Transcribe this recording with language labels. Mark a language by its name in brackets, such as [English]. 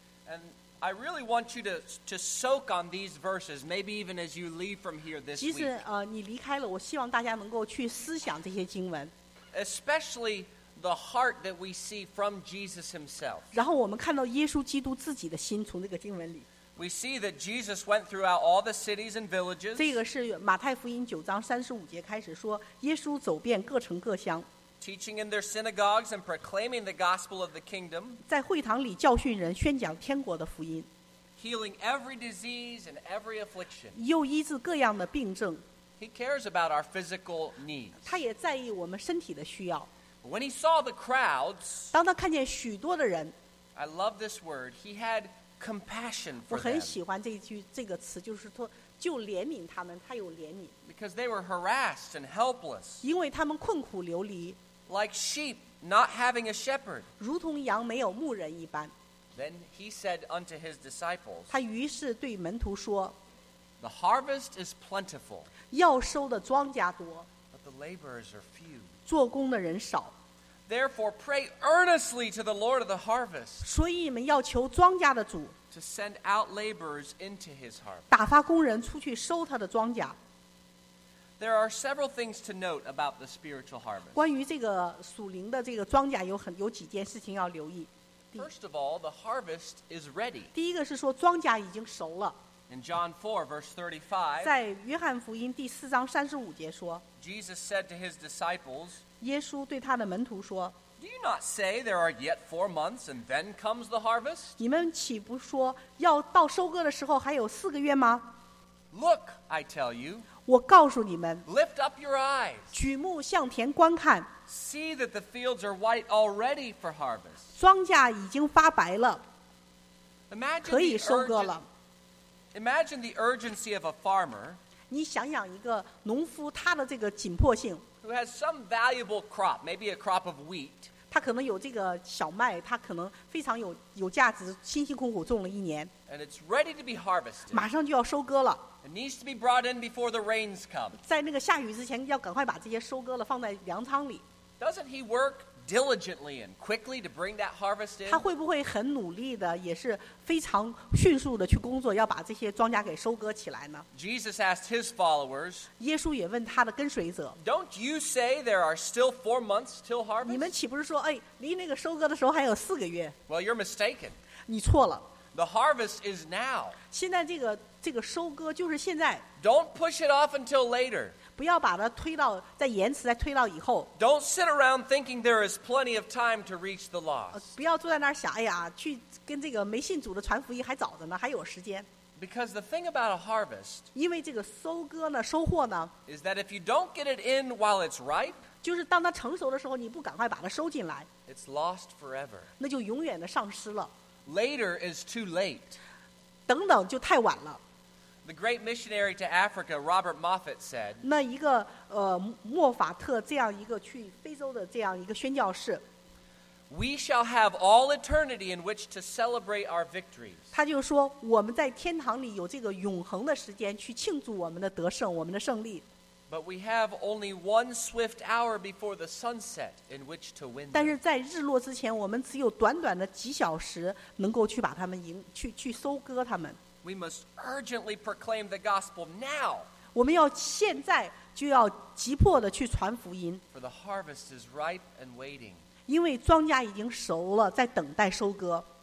[English] And I really want you to soak on these verses, maybe even as you leave from here this week. [Chinese] 即使你离开了，我希望大家能够去思想这些经文。 [English] Especially. The heart that we see from Jesus Himself. [Chinese] 然后我们看到耶稣基督自己的心，从这个经文里。 [English] We see that Jesus went throughout all the cities and villages. [Chinese] 这个是马太福音九章三十五节开始说，耶稣走遍各城各乡。 [English] Teaching in their synagogues and proclaiming the gospel of the kingdom. [Chinese] 在会堂里教训人，宣讲天国的福音。 [English] Healing every disease and every affliction. [Chinese] 又医治各样的病症。 [English] He cares about our physical needs. [Chinese] 他也在意我们身体的需要。 [English] When he saw the crowds, [Chinese] 当他看见许多的人 [English] I love this word, he had compassion for them. [Chinese] 我很喜欢这个词就是说就怜悯他们他有怜悯 [English] Because they were harassed and helpless. [Chinese] 因为他们困苦流离 [English] Like sheep not having a shepherd. [Chinese] 如同羊没有牧人一般 [English] Then he said unto his disciples, [Chinese] 他于是对门徒说 [English] The harvest is plentiful. [Chinese] 要收的庄稼多 [English] But the laborers are few. [Chinese] 做工的人少 [English] Therefore, pray earnestly to the Lord of the harvest. [Chinese] 所以你们要求庄稼的主 [English] to send out laborers into his harvest. [Chinese] 打发工人出去收他的庄稼 [English] There are several things to note about the spiritual harvest. [Chinese] 关于这个属灵的这个庄稼有几件事情要留意 [English] First of all, the harvest is ready. [Chinese] 第一个是说庄稼已经熟了 [English] In John 4, verse 35, [Chinese] 在约翰福音第四章三十五节说 [English] Jesus said to his disciples, [Chinese] 耶稣对他的门徒说 [English] Do you not say there are yet 4 months and then comes the harvest? [Chinese] 你们岂不说要到收割的时候还有四个月吗 [English] Look, I tell you, [Chinese] 我告诉你们 [English] Lift up your eyes, [Chinese] 举目向田观看 [English] See that the fields are white already for harvest. [Chinese] 庄稼已经发白了可以收割了 [English] Imagine the urgency of a farmer. [Chinese] 你想想一个农夫他的这个紧迫性 [English] who has some valuable crop, maybe a crop of wheat. [Chinese] 他可能有这个小麦他可能非常有价值辛辛苦苦种了一年 [English] and it's ready to be harvested. [Chinese] 马上就要收割了 [English] it needs to be brought in before the rains come. [Chinese] 在那个下雨之前要赶快把这些收割了放在粮仓里 [English] doesn't he work diligently and quickly to bring that harvest in? [Chinese] 他会不会很努力的也是非常迅速的去工作要把这些庄稼给收割起来呢 [English] Jesus asked his followers [Chinese] 耶稣也问他的跟随者 [English] Don't you say there are still 4 months till harvest? [Chinese] 你们岂不是说哎，离那个收割的时候还有四个月 [English] Well you're mistaken [Chinese] 你错了 [English] The harvest is now [Chinese] 现在这个收割就是现在 [English] Don't push it off until later [Chinese] 不要把它推到再延迟再推到以后 [English] Don't sit around thinking there is plenty of time to reach the lost [Chinese] 不要坐在那儿想哎呀去跟这个没信主的传福音还早着呢还有时间 [English] Because the thing about a harvest [Chinese] 因为这个收割呢收获呢 [English] is that if you don't get it in while it's ripe [Chinese] 就是当它成熟的时候你不赶快把它收进来 [English] it's lost forever [Chinese] 那就永远的丧失了 [English] later is too late [Chinese] 等等就太晚了 [English] The great missionary to Africa, Robert Moffat, said, [Chinese] 那一个, 莫法特这样一个去非洲的这样一个宣教士, [English] We shall have all eternity in which to celebrate our victories. [Chinese] 他就说, 我们在天堂里有这个永恒的时间去庆祝我们的得胜，我们的胜利。 [English] But we have only one swift hour before the sunset in which to win them. [Chinese] 但是在日落之前，我们只有短短的几小时能够去把他们赢，去收割他们。 [English] We must urgently proclaim the gospel now. [Chinese] 我们要现在就要急迫的去传福音。 [English] For the harvest is ripe and waiting. [Chinese] 因为庄稼已经熟了，在等待收割。